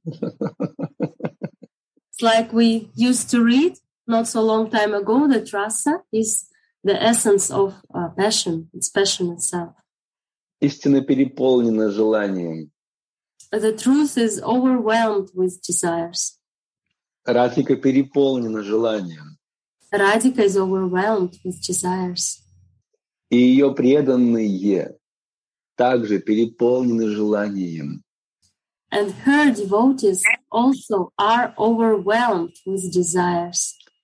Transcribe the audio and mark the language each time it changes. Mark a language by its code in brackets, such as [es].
[en] It's like we used to read not so long time ago that rasa is the essence of passion, it's passion itself. [ru] истинно переполнена желанием. [en] The truth is overwhelmed with desires. [ru] Радхика переполнена желанием. [en] Radhika is overwhelmed with desires. [ru] И ее преданные также переполнены желанием. [en] And her devotees also are overwhelmed with desires.